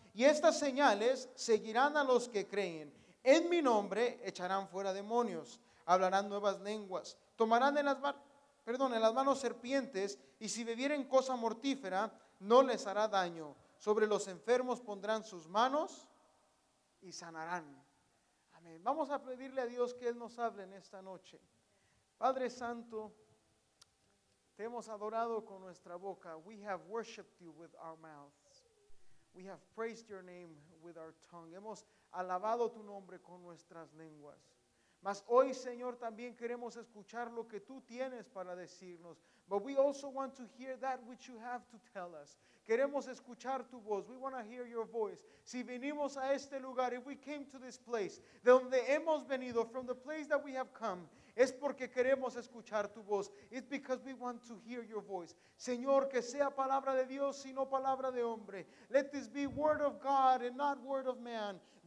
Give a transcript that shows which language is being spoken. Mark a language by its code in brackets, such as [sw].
[es] Y estas señales seguirán a los que creen. En mi nombre echarán fuera demonios, hablarán nuevas lenguas, tomarán en las manos serpientes, y si bebieren cosa mortífera no les hará daño. Sobre los enfermos pondrán sus manos y sanarán. Amén. Vamos a pedirle a Dios que Él nos hable en esta noche. Padre Santo, te hemos adorado con nuestra boca. [en] We have worshipped you with our mouths. We have praised your name with our tongue. [es] Hemos alabado tu nombre con nuestras lenguas. Mas hoy, Señor, también queremos escuchar lo que tú tienes para decirnos. [en] But we also want to hear that which you have to tell us. [es] Queremos escuchar tu voz. [en] We want to hear your voice. [es] Si venimos a este lugar, [en] if we came to this place, [es] de donde hemos venido, [en] from the place that we have come, [es] es porque queremos escuchar tu voz. [en] It's because we want to hear your voice. [es] Señor, que sea palabra de Dios y no palabra de hombre. [en] Let this be word of God and not word of man.